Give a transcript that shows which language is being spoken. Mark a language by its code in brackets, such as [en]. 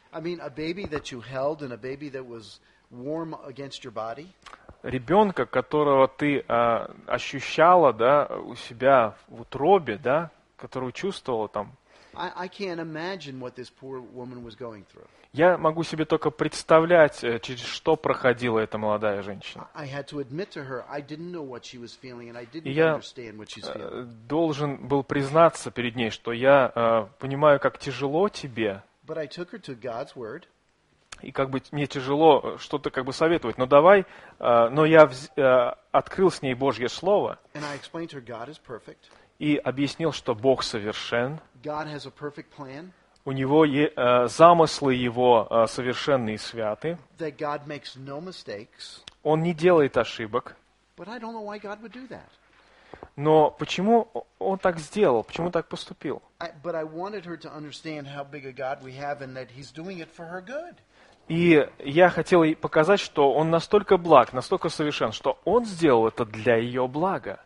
[en] I mean, a baby that you held and a baby that was warm against your body. [ru] Ребенка, которого ты ощущала, да, у себя в утробе, да, которого чувствовала там. [en] I can't imagine what this poor woman was going through. [ru] Я могу себе только представлять, через что проходила эта молодая женщина. [en] I had to admit to her, I didn't know what she was feeling, and I didn't understand what she's feeling. [ru] Я должен был признаться перед ней, что я понимаю, как тяжело тебе. [en] But I took her to God's word. [ru] И как бы мне тяжело что-то как бы советовать, но давай, но я открыл с ней Божье слово. [en] And I explained to her, God is perfect. [ru] И объяснил, что Бог совершен. [en] God has a perfect plan. [ru] У него замыслы его совершенные и святы. [en] That God makes no mistakes. [ru] Он не делает ошибок. [en] But I don't know why God would do that. [ru] Но почему он так сделал? Почему так поступил? [en] But I wanted her to understand how big a God we have and that he's doing it for her good. [ru] И я хотел ей показать, что он настолько благ, настолько совершен, что он сделал это для ее блага.